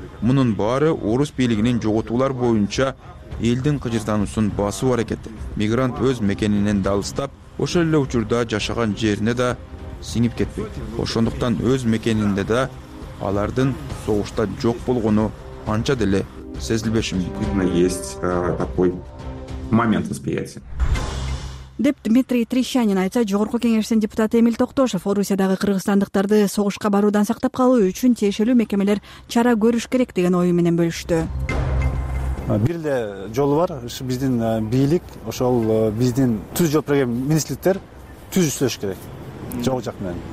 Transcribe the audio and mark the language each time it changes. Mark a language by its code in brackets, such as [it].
[ky] Мунун баары орус бийлигинин жоготуулар боюнча элдин кыжырдануусун басуу аракети. Мигрант өз мекенинен да алыстап, ошол эле учурда жашаган жерине да сиңип кетпейт. Ошондуктан өз мекенинде да алардын согушта жок болгону анча деле сезилбеши мүмкүн. [ru] Есть такой момент восприятия. [ky] Деп Дмитрий Трещанин айтса, Жогорку Кеңештин депутаты Эмил Токтошов Орусиядагы кыргызстандыктарды согушка баруудан сактап калуу үчүн тиешелүү мекемелер чара көрүш керек деген ою менен бөлүштү. Бир эле жолу бар, биздин бийлик, ошол биздин түз жол программ министрликтер түз иштөш керек. Жогорку жак менен.